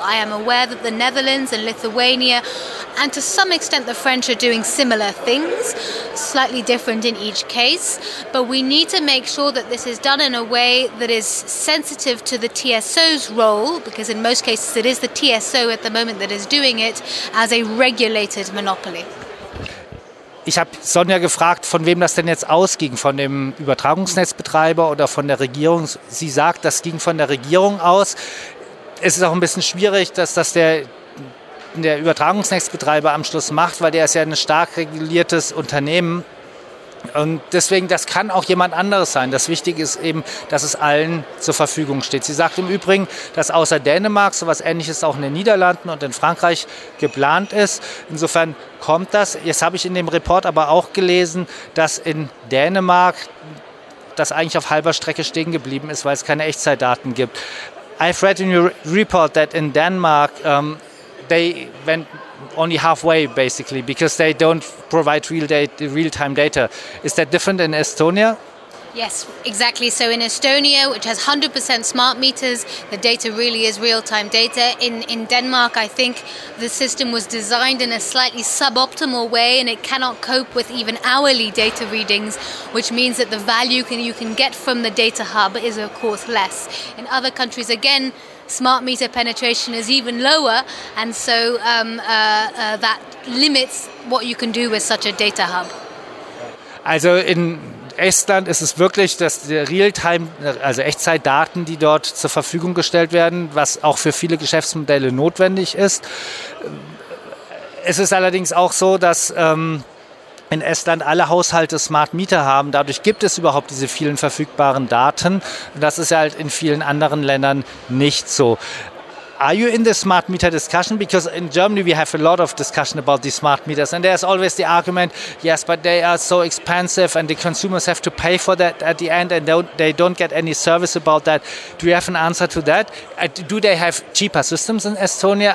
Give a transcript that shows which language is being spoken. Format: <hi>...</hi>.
<en>I am aware that the Netherlands and Lithuania, and to some extent the French, are doing similar things, slightly different in each case. But we need to make sure that this is done in a way that is sensitive to the TSO's role, because in most cases it is the TSO at the moment that is doing it as a regulated monopoly.</en> <de>Ich habe Sonja gefragt, von wem das denn jetzt ausging, von dem Übertragungsnetzbetreiber oder von der Regierung. Sie sagt, das ging von der Regierung aus. Es ist auch ein bisschen schwierig, dass das der Übertragungsnetzbetreiber am Schluss macht, weil der ist ja ein stark reguliertes Unternehmen. Und deswegen, das kann auch jemand anderes sein. Das Wichtige ist eben, dass es allen zur Verfügung steht. Sie sagt im Übrigen, dass außer Dänemark sowas Ähnliches auch in den Niederlanden und in Frankreich geplant ist. Insofern kommt das. Jetzt habe ich in dem Report aber auch gelesen, dass in Dänemark das eigentlich auf halber Strecke stehen geblieben ist, weil es keine Echtzeitdaten gibt.</de> <en>I've read in your report that in Denmark they went only halfway basically because they don't provide real-time data. Is that different in Estonia? Yes, exactly. So in Estonia, which has 100% smart meters, the data really is real-time data. In Denmark, I think the system was designed in a slightly suboptimal way and it cannot cope with even hourly data readings, which means that the value you can get from the data hub is, of course, less. In other countries, again, smart meter penetration is even lower, and so that limits what you can do with such a data hub.</en> <de>Also in Estland ist es wirklich, dass Realtime, also Echtzeitdaten, die dort zur Verfügung gestellt werden, was auch für viele Geschäftsmodelle notwendig ist. Es ist allerdings auch so, dass in Estland alle Haushalte Smart Meter haben. Dadurch gibt es überhaupt diese vielen verfügbaren Daten. Das ist ja halt in vielen anderen Ländern nicht so.</de> <en>Are you in the smart meter discussion? Because in Germany we have a lot of discussion about the smart meters, and there's always the argument, yes, but they are so expensive and the consumers have to pay for that at the end and they don't get any service about that. Do you have an answer to that? Do they have cheaper systems in Estonia?</en>